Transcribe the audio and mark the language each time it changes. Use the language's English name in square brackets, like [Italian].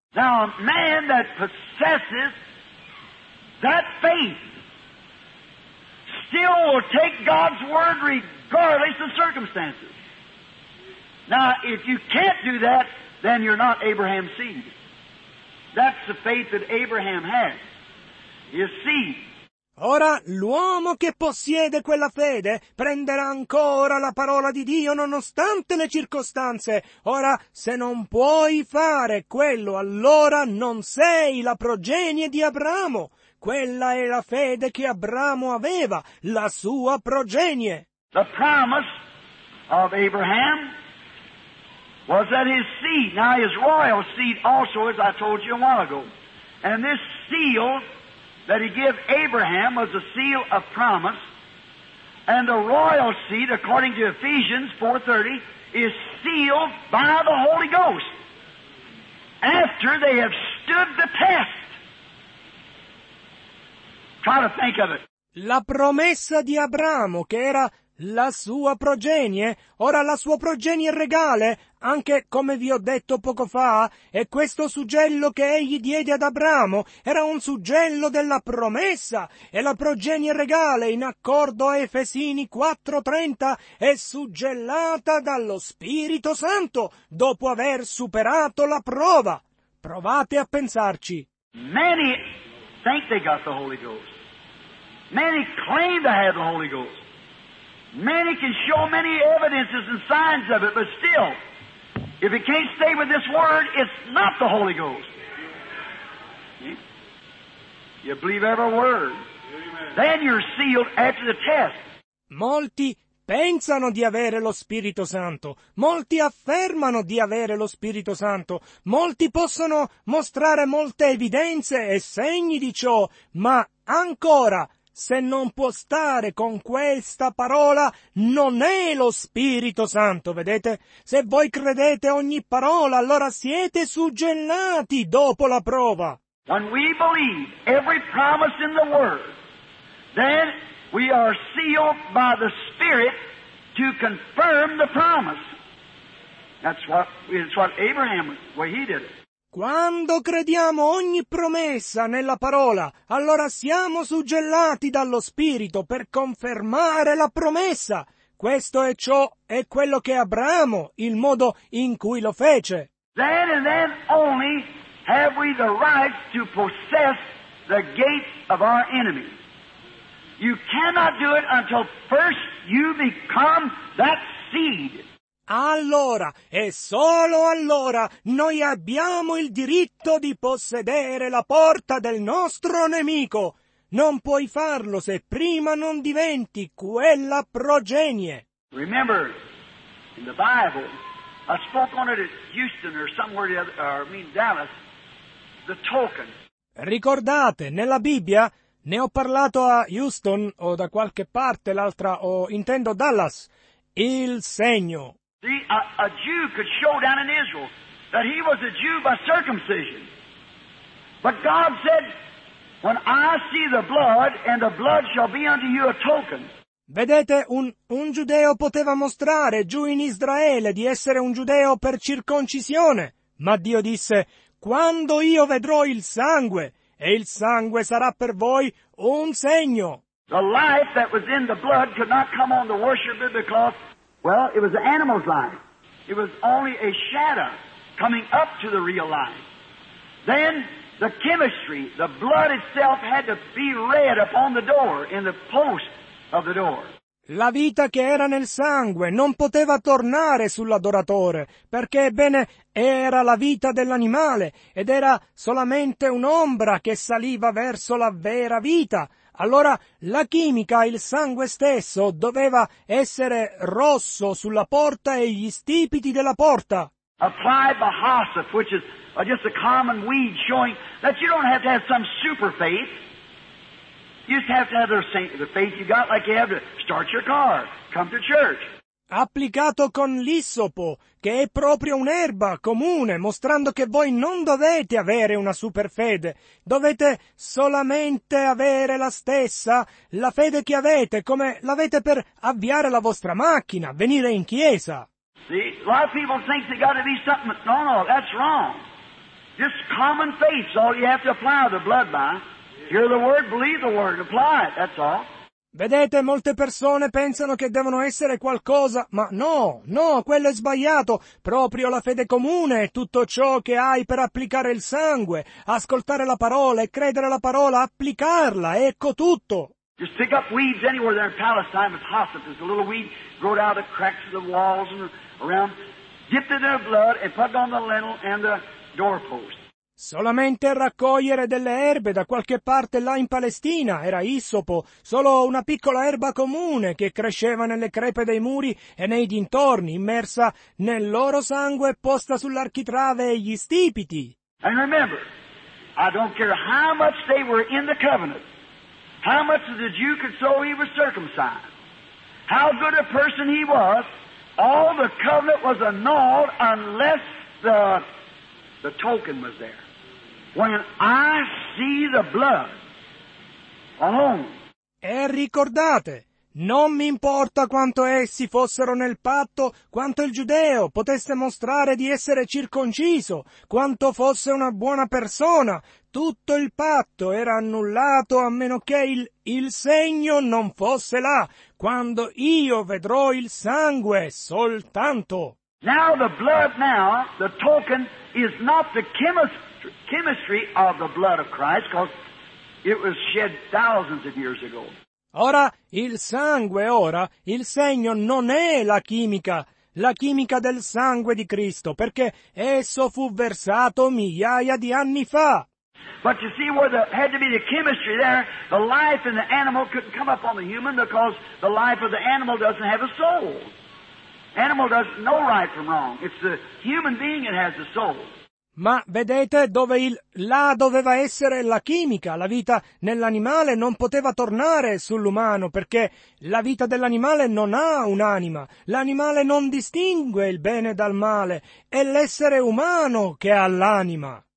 [English] Now a man that possesses that faith still will take God's word regardless of circumstances. Now if you can't do that, then you're not Abraham's seed. That's the faith that Abraham had. You see. [Italian] Ora, l'uomo che possiede quella fede prenderà ancora la parola di Dio nonostante le circostanze. Ora, se non puoi fare quello, allora non sei la progenie di Abramo. Quella è la fede che Abramo aveva, la sua progenie. [English] The promise of Abraham was that his seed, now his royal seed also, as I told you a while ago. And this seal that he gave Abraham was a seal of promise. And the royal seed, according to Ephesians 4:30, is sealed by the Holy Ghost after they have stood the test. Try to think of it. [Italian] La promessa di Abramo, che era la sua progenie, ora la sua progenie regale, anche come vi ho detto poco fa, e questo suggello che egli diede ad Abramo era un suggello della promessa, e la progenie regale, in accordo a Efesini 4:30, è suggellata dallo Spirito Santo, dopo aver superato la prova. Provate a pensarci. [English] Many think they got the Holy Ghost. Many claim to have the Holy Ghost. Many can show many evidences and signs of it, but still, if it can't stay with this word, it's not the Holy Ghost. You believe every word. Then you're sealed after the test. [Italian] Molti pensano di avere lo Spirito Santo. Molti affermano di avere lo Spirito Santo. Molti possono mostrare molte evidenze e segni di ciò, ma ancora, se non può stare con questa parola, non è lo Spirito Santo, vedete? Se voi credete ogni parola, allora siete suggellati dopo la prova. [English] When we believe every promise in the Word, then we are sealed by the Spirit to confirm the promise. That's what Abraham, well, he did it. [Italian] Quando crediamo ogni promessa nella parola, allora siamo suggellati dallo Spirito per confermare la promessa. Questo è ciò, è quello che Abramo, il modo in cui lo fece. [English] Then and then only have we the right to possess the gates of our enemy. You cannot do it until first you become that seed. [Italian] Allora, e solo allora, noi abbiamo il diritto di possedere la porta del nostro nemico. Non puoi farlo se prima non diventi quella progenie. [English] Remember, in the Bible, I spoke on it at Houston or somewhere, the other, or I mean Dallas, the token. [Italian] Ricordate, nella Bibbia, ne ho parlato a Houston o da qualche parte l'altra, o intendo Dallas, il segno. [English] A Jew could show down in Israel that he was a Jew by circumcision. But God said, when I see the blood, and the blood shall be unto you a token. [Italian] Vedete, un giudeo poteva mostrare giù in Israele di essere un giudeo per circoncisione. Ma Dio disse, quando io vedrò il sangue, e il sangue sarà per voi un segno. [English] The life that was in the blood could not come on the worshiper because... Well, it was the animal's life. It was only a shadow coming up to the real life. Then the chemistry, the blood itself had to be read upon the door, in the post of the door. [Italian] La vita che era nel sangue non poteva tornare sull'adoratore, perché, ebbene, era la vita dell'animale ed era solamente un'ombra che saliva verso la vera vita. Allora la chimica, il sangue stesso, doveva essere rosso sulla porta e gli stipiti della porta. [English] Apply Bahasa, which is just a common weed, showing that you don't have to have some super faith. You just have to have the faith you got, like you have to start your car, come to church. [Italian] Applicato con l'issopo, che è proprio un'erba comune, mostrando che voi non dovete avere una superfede, dovete solamente avere la stessa, la fede che avete, come l'avete per avviare la vostra macchina, venire in chiesa. [English] See, a lot of people think they got to be something, but no, that's wrong. Just common faith is all you have to apply the blood by. Hear the word, believe the word, apply it, that's all. [Italian] Vedete, molte persone pensano che devono essere qualcosa, ma no, no, quello è sbagliato. Proprio la fede comune è tutto ciò che hai per applicare il sangue, ascoltare la parola e credere alla parola, applicarla, ecco tutto. [English] Just pick up weeds anywhere there in Palestine, it's Hasa. There's a little weed grown out of cracks of the walls and around. Dip it in their blood and put it on the lintel and the doorpost. [Italian] Solamente raccogliere delle erbe da qualche parte là in Palestina, era issopo, solo una piccola erba comune che cresceva nelle crepe dei muri e nei dintorni, immersa nel loro sangue posta sull'architrave e gli stipiti. [English] And remember, I don't care how much they were in the covenant, how much of the Jew could so he was circumcised, how good a person he was, all the covenant was annulled unless the token was there. When I see the blood alone. [Italian] E ricordate, non mi importa quanto essi fossero nel patto, quanto il giudeo potesse mostrare di essere circonciso, quanto fosse una buona persona, tutto il patto era annullato a meno che il segno non fosse là, quando io vedrò il sangue soltanto. [English] Now the blood, now the token is not the chemistry of the blood of Christ, because it was shed thousands of years ago. [Italian] Ora il sangue, ora il segno non è la chimica del sangue di Cristo, perché esso fu versato migliaia di anni fa. [English] But you see, where there had to be the chemistry there, the life in the animal couldn't come up on the human, because the life of the animal doesn't have a soul. Animal does no right from wrong. It's the human being that has the soul. [Italian] Ma vedete dove là doveva essere la chimica, la vita nell'animale non poteva tornare sull'umano, perché la vita dell'animale non ha un'anima, l'animale non distingue il bene dal male, è l'essere umano che ha l'anima.